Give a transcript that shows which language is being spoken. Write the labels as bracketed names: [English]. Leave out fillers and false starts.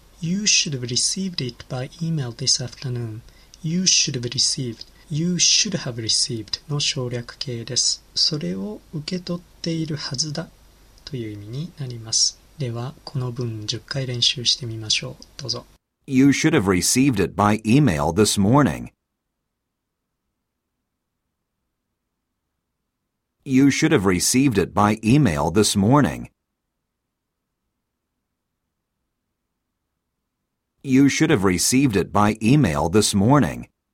[English] You should have received it by email this afternoon. You should have received. You should have received [Japanese] の省略形です。それを受け取っているはずだという意味になります。では、この文10回練習してみましょう。どうぞ。 [English] You should have received it by email this morning. You should have received it by email this morning. You should have received it by email this morning.